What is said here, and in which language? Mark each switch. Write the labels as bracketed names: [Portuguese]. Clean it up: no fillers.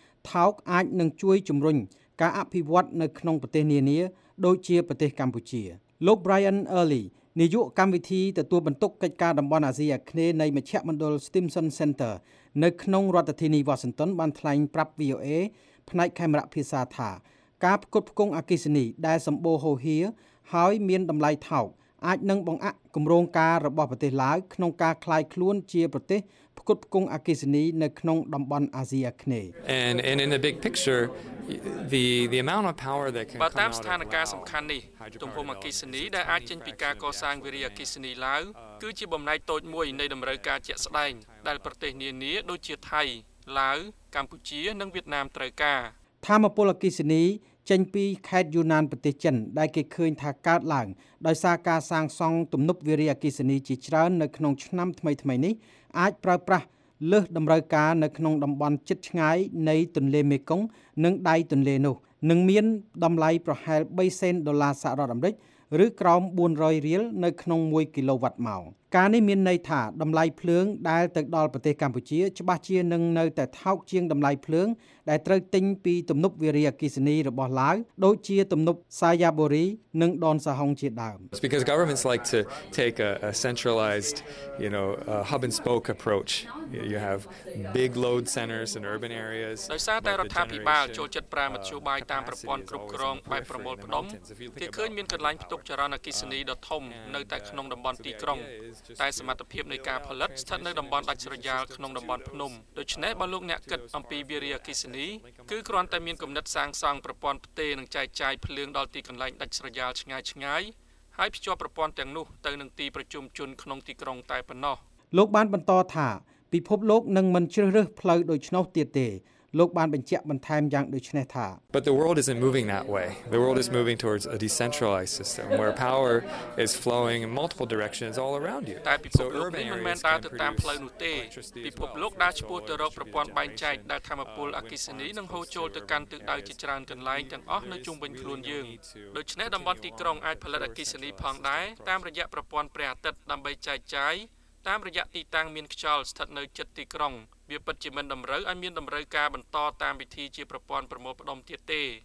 [Khmer] ថោកអាចនឹងជួយជំរុញការអភិវឌ្ឍនៅក្នុងប្រទេសនានាដូចជាប្រទេសកម្ពុជាលោក Brian Early នាយកកម្មវិធីទទួលបន្ទុកកិច្ចការតំបន់អាស៊ីអាគ្នេយ៍នៃមជ្ឈមណ្ឌល Stimson Center នៅក្នុងរដ្ឋធានីវ៉ាស៊ីនតោនបានថ្លែងប្រាប់ VOA ផ្នែកកាមេរ៉ាភាសាថាការផ្គត់ផ្គង់អគិសនីដែលសម្បូរហូរហៀរហើយមានតម្លៃថោកអាចនឹងបង្អាក់គម្រោងការរបស់ប្រទេសឡាវក្នុងការខ្លាយខ្លួនជាប្រទេសផ្គត់ផ្គង់អគិសនីនៅក្នុងតំបន់អាស៊ីអាគ្នេយ៍ [English] And in the big picture the amount of power that can come out of [Khmer] ស្ថានភាពសំខាន់នេះទំហំអគិសនីដែលអាចចេញពីការកសាងវារីអគិសនីឡាវគឺជាបំណែកតូចមួយនៃតម្រូវការជាក់ស្ដែងដែលប្រទេសនានាដូចជាថៃឡាវកម្ពុជានិងវៀតណាមត្រូវការ ថាមពលអគ្គិសនីចេញពីខេត្តយូណានប្រទេសចិនដែលគេឃើញថាកើតឡើងដោយសារការសាងសង់ទំនប់វារីអគ្គិសនីជាច្រើននៅក្នុងឆ្នាំថ្មីៗនេះអាចប្រើប្រាស់លើសតម្រូវការនៅក្នុងតំបន់ជិតឆ្ងាយនៃទន្លេមេគង្គនិងដៃទន្លេនោះនឹងមានតម្លៃប្រហែល3សេនដុល្លារសហរដ្ឋអាមេរិក ឬក្រោម400រៀលនៅក្នុង1គីឡូវ៉ាត់ម៉ោងការនេះមានន័យថាតម្លៃភ្លើងដែលទៅដល់ប្រទេសកម្ពុជាច្បាស់ជានឹងនៅតែថោកជាងតម្លៃភ្លើងដែលត្រូវទិញពីទំនប់វារីអគ្គិសនីរបស់ឡាវដូចជាទំនប់សាយ៉ាបូរីនិងដនសាហុងជាដើម [English] Because governments like to take a centralized you know a hub and spoke approach you have big load centers in urban areas [Khmer] ដោយសារតែរដ្ឋាភិបាលចូលចិត្តប្រើមធ្យោបាយតាមប្រព័ន្ធគ្រប់គ្រងបែបប្រមូលផ្ដុំគេឃើញមានកន្លែងផ្ទុកចរន្តអគ្គិសនីដ៏ធំនៅតែក្នុងតំបន់ទីក្រុងតែសមត្ថភាពនៃការផលិតស្ថិតនៅតំបន់ដាច់ស្រយាលក្នុងតំបន់ភ្នំដូច្នេះបើលោកអ្នកគិតអំពីវារីអគ្គិសនីគឺគ្រាន់តែមានគំនិតសាងសង់ប្រព័ន្ធផ្ទេរនិងចែកចាយភ្លើងដល់ទីកន្លែងដាច់ស្រយាលឆ្ងាយឆ្ងាយហើយភ្ជាប់ប្រព័ន្ធទាំងនោះទៅនឹងទីប្រជុំជនក្នុងទីក្រុងតែប៉ុណ្ណោះ លោកបានបន្តថាពិភពលោកនឹងមិនជ្រើសរើសផ្លូវដូច្នោះទៀតទេលោកបានបញ្ជាក់បន្ថែមយ៉ាងដូចនេះថា [English] But the world isn't moving that way. The world is moving towards a decentralized system where power is flowing in multiple directions all around you. [Khmer] តែពិភពលោកមិនមែនដើរទៅតាមផ្លូវនោះទេ។ពិភពលោកដើរឆ្ពោះទៅរកប្រព័ន្ធបែងចែកដែលធម្មពលអគ្គិសនីនឹងហូរចូលទៅកាន់ទិសដៅជាច្រើនកន្លែងទាំងអស់នៅជុំវិញខ្លួនយើង។ដូច្នេះតំបន់ទីក្រុងអាចផលិតអគ្គិសនីផងដែរតាមរយៈប្រព័ន្ធព្រះអាទិត្យដើម្បីចែកចាយតាមរយៈទីតាំងមានខ្យល់ស្ថិតនៅជិតទីក្រុង។វាពិតជាមិនតម្រូវឲ្យមានតម្រូវការបន្តតាមវិធីជាប្រព័ន្ធប្រមូលផ្ដុំទៀតទេ